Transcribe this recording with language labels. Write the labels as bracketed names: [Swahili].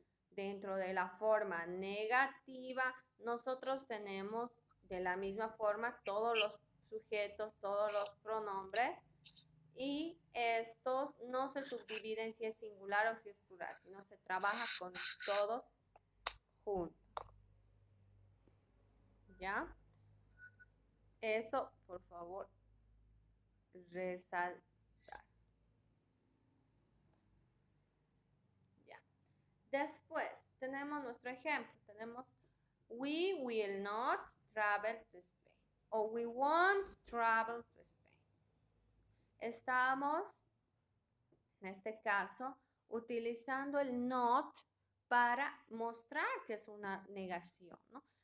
[Spanish] Dentro de la forma negativa, nosotros tenemos de la misma forma todos los sujetos, todos los pronombres, y estos no se subdividen si es singular o si es plural, sino se trabaja con todos juntos. ¿Ya? Eso, por favor, resaltar. Ya. Después, tenemos nuestro ejemplo. Tenemos, [English] we will not travel to Spain. [Spanish] O [English] we won't travel to Spain. [Spanish] Estamos, en este caso, utilizando el not para mostrar que es una negación, ¿no?